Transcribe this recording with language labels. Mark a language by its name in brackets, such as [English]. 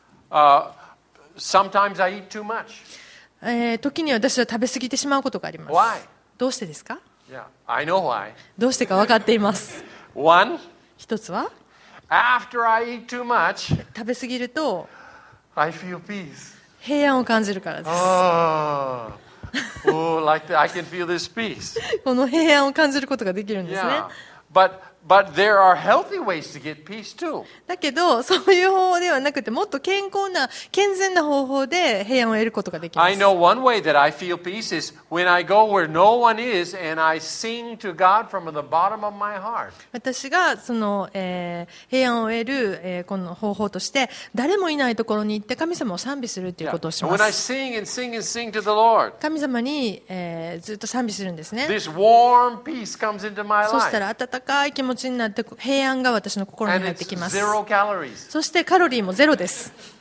[English] Sometimes I eat too much. [Japanese] 時に私は食べ過ぎてしまうことがあります。 [English] Why? [Japanese] どうしてですか？ [English] Yeah, I know why. [Japanese] どうしてか分かっています。 [English] One. [Japanese] 一つは。 [English] After I eat too much, [Japanese] 食べ過ぎると [English] I feel peace. [Japanese] 平安を感じるからです。 [English] Oh, oh, like that, I can feel this peace. [Japanese] この平安を感じることができるんですね。 [English] Yeah. But, But there are healthy ways to get peace too. [Japanese] だけどそういう方法ではなくて、もっと健康な健全な方法で平安を得ることができます。 [English] I know one way that I feel peace is when I go where no one is and I sing to God from the bottom of my heart. [Japanese] 私がその、平安を得る、この方法として、誰もいないところに行って神様を賛美するということをします。 [English] Yeah. When I sing and sing and sing to the Lord. [Japanese] 神様に、ずっと賛美するんですね。 [English] This warm peace comes into my life. [Japanese] そしたら温かい気持ちになって平安が私の心に入ってきます。 [English] zero calories. [Japanese] そしてカロリーもゼロです。